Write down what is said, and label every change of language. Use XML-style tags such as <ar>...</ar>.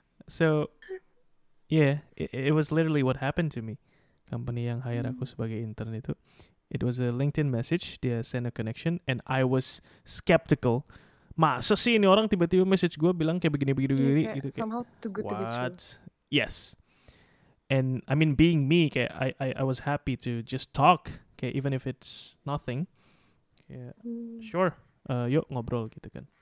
<en>So, yeah, it was literally what happened to me.</en> <id>Company yang hire aku sebagai intern itu.</id> <en>It was a LinkedIn message. Dia send a connection and I was skeptical.</en> <id>Masa sih ini orang tiba-tiba message gue bilang kayak begini-begini-begini gitu. Kayak,</id> <en>somehow too good what? To be true. Yes. And I mean being me, kayak I was happy to just talk.</en> <id>Kayak</id> <en>even if it's nothing.</en> <id>Kayak,</id> <en>sure,</en> <id>yuk ngobrol gitu kan.</id>